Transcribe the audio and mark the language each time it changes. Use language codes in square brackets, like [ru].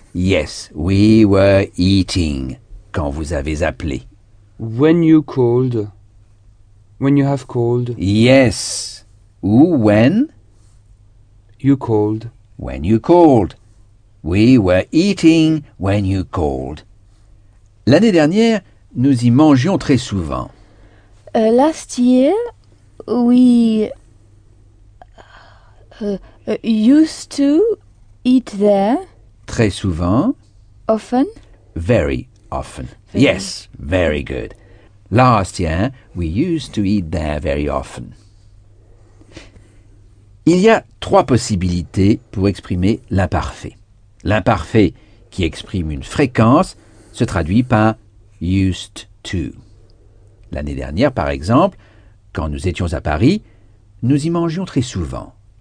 [en] Yes, we were eating [fr] quand vous avez appelé. [en] When you called. When you have called. Yes. Ou when? You called. When you called. We were eating when you called. [fr] L'année dernière, nous y mangions très souvent. [en] Last year, we used to eat there. [fr] Très souvent. [en] Often. Very often. Very. Yes, very good. Last year, we used to eat there very often. [fr] Il y a trois possibilités pour exprimer l'imparfait. L'imparfait, qui exprime une fréquence, se traduit par « used to ». L'année dernière, par exemple, quand nous étions à Paris, nous y mangeions très souvent.